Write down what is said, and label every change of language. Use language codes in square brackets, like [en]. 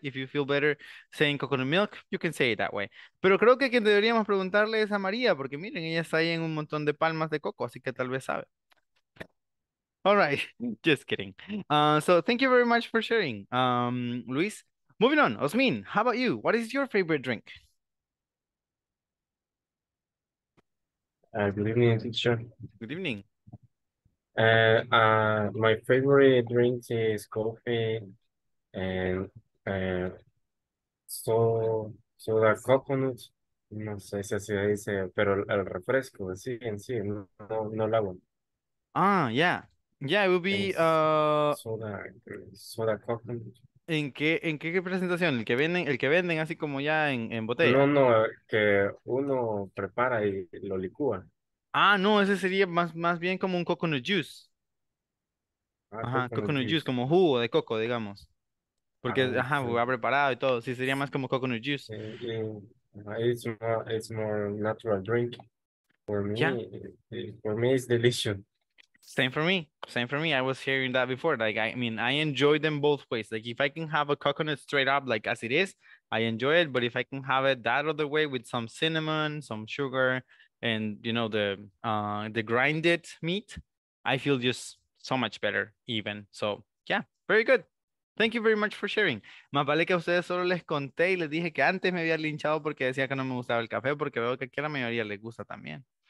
[en] If you feel better saying coconut milk, you can say it that way. [es] Pero creo que quien deberíamos preguntarle es a María, porque miren, ella está ahí en un montón de palmas de coco, así que tal vez sabe. [en] All right, just kidding. So thank you very much for sharing, Luis. Moving on, Osmin, how about you? What is your favorite drink? Good evening, teacher. Good evening. My favorite drink is coffee and soda coconut. [es] No sé si así dice, pero el refresco sí, no el agua. [en] Ah, yeah, it will be soda coconut. [es] ¿En qué presentación? ¿El que venden así como ya en botella? No, no, que uno prepara y lo licúa. Ah, no, ese sería más bien como un coconut juice. Ajá, coconut juice, como jugo de coco, digamos. Porque, ajá, sí. Ha preparado y todo. Sí, sería más como coconut juice. [en] It's more natural drink. For me, yeah. It's delicious. Same for me. I was hearing that before. Like, I mean, I enjoy them both ways. Like, if I can have a coconut straight up, like, as it is, I enjoy it. But if I can have it that other way with some cinnamon, some sugar, and, you know, the grinded meat, I feel just so much better even. So, yeah, very good. Thank you very much for sharing. [es] Más vale que a ustedes solo les conté y les dije que antes me había linchado porque decía que no me gustaba el café, porque veo que aquí a la mayoría les gusta también.